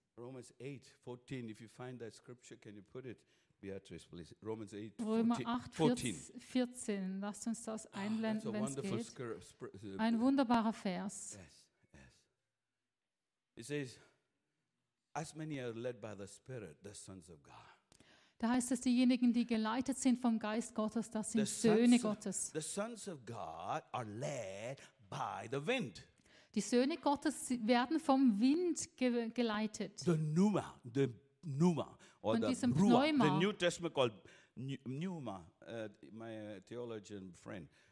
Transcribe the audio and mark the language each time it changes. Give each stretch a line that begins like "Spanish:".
English: Romans 8, 14, if you find that scripture, can you put it, Beatrice, please? Romans 8, 14.
German: Römer 8, 14. Lasst uns das einblenden, wenn es geht. Ein wunderbarer Vers.
English: Yes. It says, as many are led by the Spirit, the sons of God.
German: Da heißt es, diejenigen, die geleitet sind vom Geist Gottes, das sind Söhne Gottes.
English: The sons of God are led by the wind.
German: Die Söhne Gottes werden vom Wind geleitet.
English: The pneuma,
German: or von diesem Ruach, Pneuma.
English: The New Testament called pneuma. My theologian friend,